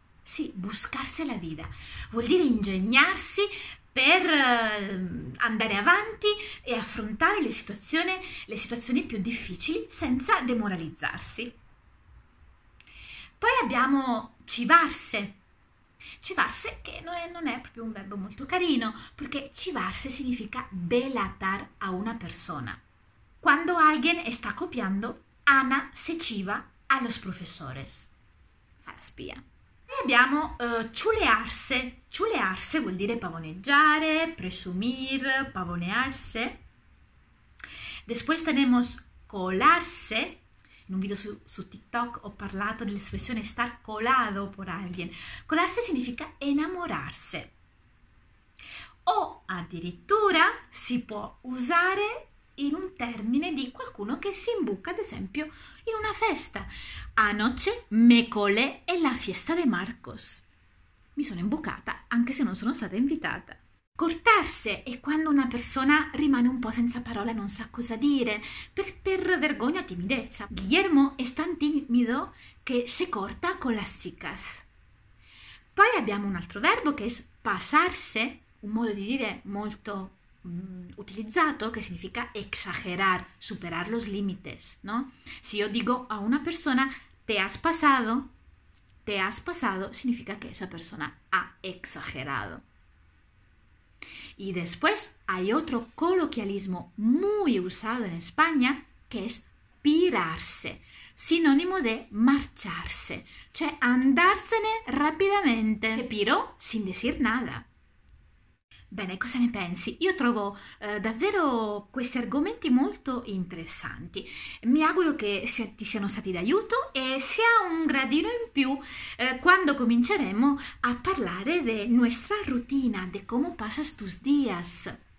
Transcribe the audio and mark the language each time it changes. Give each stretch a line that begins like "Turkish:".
Italian: Sì,
Spanish: buscarse la vida.
Italian: Vuol dire ingegnarsi per andare avanti e affrontare le situazioni più difficili senza demoralizzarsi. Poi abbiamo civarse. Civarse, che non è proprio un verbo molto carino, perché civarse significa
Spanish: delatar a una persona. Quando alguien está copiando, Ana se civa a los profesores.
Italian: Fa la spia. E abbiamo chulearse. Chulearse vuol dire pavoneggiare,
Spanish: presumir, pavonearse. Después tenemos colarse.
Italian: In un video su TikTok ho parlato dell'espressione
Spanish: star colado por alguien.
Italian: Colarse significa innamorarsi. O addirittura si può usare in un termine di qualcuno che si imbuca, ad esempio, in una festa.
Spanish: Anoche me colé en la fiesta de Marcos.
Italian: Mi sono imbucata anche se non sono stata invitata. Cortarse è quando una persona rimane un po' senza parole, non sa cosa dire, per vergogna o timidezza.
Spanish: Guillermo è tan timido che se corta con las chicas.
Italian: Poi abbiamo un altro verbo che è pasarse, un modo di dire molto utilizzato, che significa
Spanish: exagerar, superar los límites, no?
Italian: Se io dico a una persona
Spanish: te has pasado
Italian: significa che
Spanish: esa persona ha exagerado. Y después hay otro coloquialismo muy usado en España, que es pirarse, sinónimo de marcharse,
Italian: cioè andarsene
Spanish: rápidamente. Se piró sin decir nada.
Italian: Bene, cosa ne pensi? Io trovo davvero questi argomenti molto interessanti. Mi auguro che ti siano stati d'aiuto e sia un gradino in più quando cominceremo a parlare della nostra routine, di come
Spanish: pasas tus días.